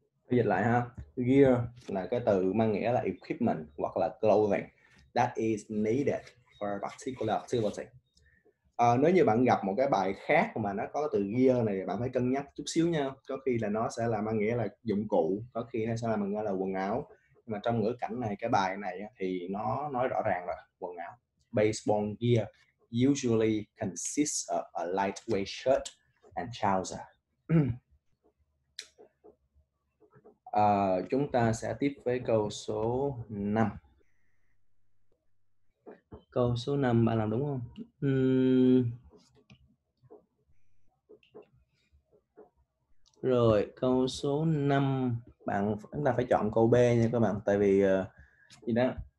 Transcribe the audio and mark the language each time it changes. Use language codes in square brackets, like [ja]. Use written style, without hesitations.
[vi] Dịch lại ha. Gear là cái từ mang nghĩa là equipment hoặc là [en] clothing that is needed for a particular activity. [vi] Nếu như bạn gặp một cái bài khác mà nó có từ gear này, bạn phải cân nhắc chút xíu nha. Có khi là nó sẽ là mang nghĩa là dụng cụ, có khi nó sẽ là mang nghĩa là quần áo. Nhưng mà trong ngữ cảnh này, cái bài này thì nó nói rõ ràng là quần áo. [en] Baseball gear usually consists of a lightweight shirt and trouser. [vi] Chúng ta sẽ tiếp với câu số 5. Câu số 5 bạn làm đúng không? Rồi, câu số 5 bạn chúng ta phải chọn câu B nha các bạn, tại vì gì đó.